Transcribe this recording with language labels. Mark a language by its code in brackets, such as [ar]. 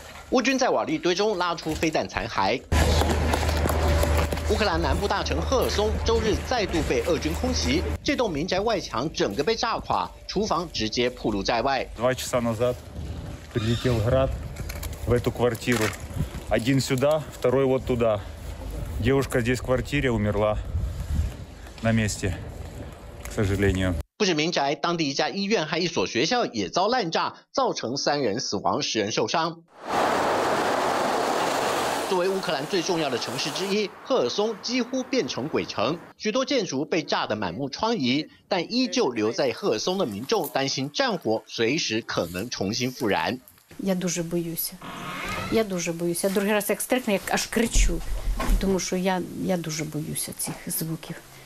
[zh] 乌军在瓦砾堆中拉出飞弹残骸，乌克兰南部大城赫尔松周日再度被俄军空袭，这栋民宅外墙整个被炸垮，厨房直接暴露在外。 [ru] Два часа назад прилетел град в эту квартиру. Один сюда, второй вот туда. Девушка здесь в квартире умерла на месте, к сожалению. [zh] 不止民宅，当地一家医院和一所学校也遭烂炸，造成3人死亡、10人受伤。作为乌克兰最重要的城市之一，赫尔松几乎变成鬼城，许多建筑被炸得满目疮痍，但依旧留在赫尔松的民众担心战火随时可能重新复燃。 [uk] Я дуже боюся, я дуже боюся. Другий раз як стрельну, як аж кричу, тому що я дуже боюся цих звуків.